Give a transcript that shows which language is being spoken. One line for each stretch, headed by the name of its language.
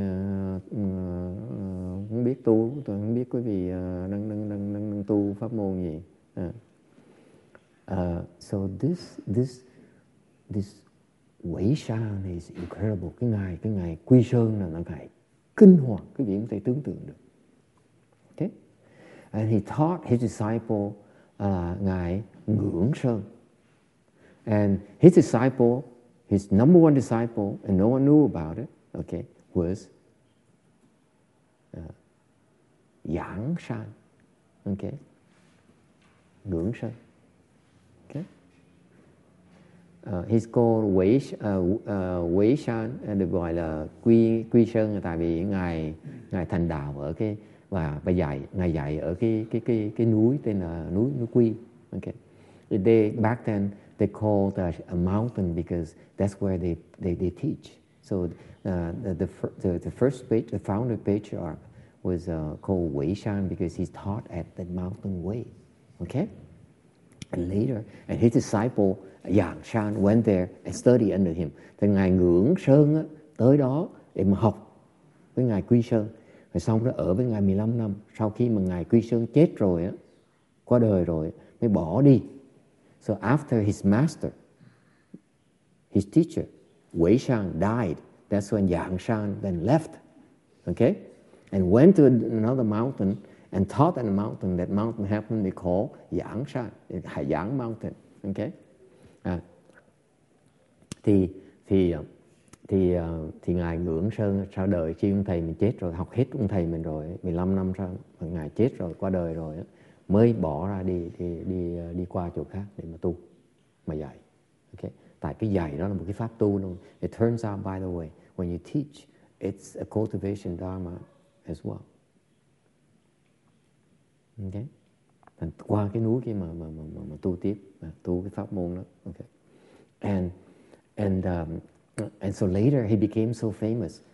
Vietnamese: Tại vì không biết tu. Tôi không biết quý vị đang tu pháp môn gì.
English: So this Wei Sha is incredible.
Vietnamese: Cái ngài Quy Sơn là ngài kinh hoàng. Quý vị không thể tưởng tượng được.
English: And he taught his disciple Ngài Ngưỡng Sơn. And his disciple, his number one disciple, and no one knew about it, okay, was Yang Shan. Okay. Ngưỡng Sơn. Okay. He's called Wei Shan, and
Vietnamese: gọi là Quy Sơn, tại vì Ngài thành đạo ở cái và dạy ngài dạy ở cái núi tên là núi núi Quy.
English: Okay. They back then they call that a mountain because that's where they teach. So the first page, the founder patriarch was called Wei Shan because he taught at the mountain Wei. Okay? And later, and his disciple Yang Shan went there and studied under him.
Vietnamese: Thì ngài Ngưỡng Sơn tới đó để mà học với ngài Quy Sơn. Rồi xong đó ở với ngài 15 năm. Sau khi mà ngài Quy Sơn chết rồi á, qua đời rồi mới bỏ đi.
English: So after his master, his teacher, Wei Shan died, that's when Yang Shan then left, okay? And went to another mountain and taught in the mountain. That mountain happened to be called Yang Shan, Hải Yang Mountain, okay?
Vietnamese: Thì ngài Ngưỡng Sơn sau đời khi ông thầy mình chết rồi, học hết ông thầy mình rồi, 15 năm sau, ngài chết rồi, qua đời rồi, mới bỏ ra đi qua chỗ khác để mà tu, mà dạy. Okay? Tại cái dạy đó là một cái pháp tu luôn.
English: It turns out, by the way, when you teach, it's a cultivation dharma as well. Okay?
Vietnamese: And qua cái núi kia mà tu tiếp, mà tu cái pháp môn đó.
English: Okay? And so later he became so famous.